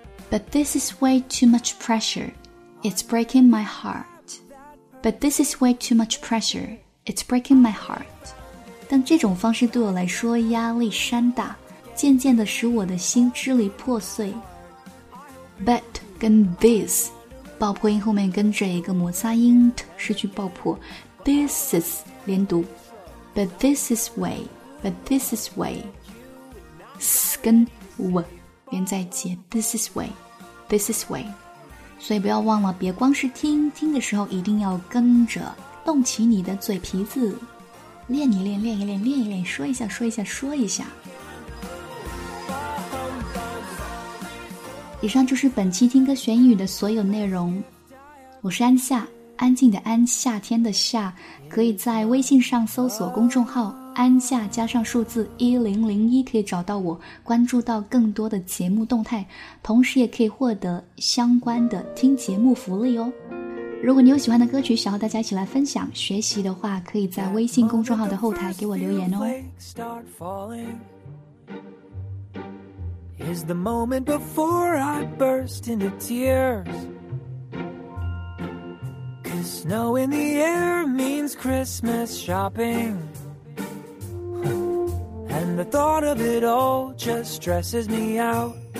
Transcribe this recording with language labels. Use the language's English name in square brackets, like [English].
[English] But this is way too much pressure. It's breaking my heart. But this is way too much pressure. It's breaking my heart. [Chinese] 但这种方式对我来说压力山大，渐渐地使我的心支离破碎。 [English] But 跟 this [Chinese] 爆破音后面跟着一个摩擦音 t 失去爆破 [English] This is [Chinese] 连读 [English] But this is way But this is way [Chinese] S 跟 w 连在一起 [English] This is way This is way [Chinese] 所以不要忘了别光是听听的时候一定要跟着动起你的嘴皮子练一练练一练练一练说一下说一下说一下以上就是本期听歌学英语的所有内容我是安夏安静的安夏天的夏可以在微信上搜索公众号安夏加上数字1001可以找到我关注到更多的节目动态同时也可以获得相关的听节目福利哦如果你有喜欢的歌曲想要大家一起来分享学习的话可以在微信公众号的后台给我留言哦 [English] Is the moment before I burst into tears Cause snow in the air means Christmas shopping And the thought of it all just stresses me out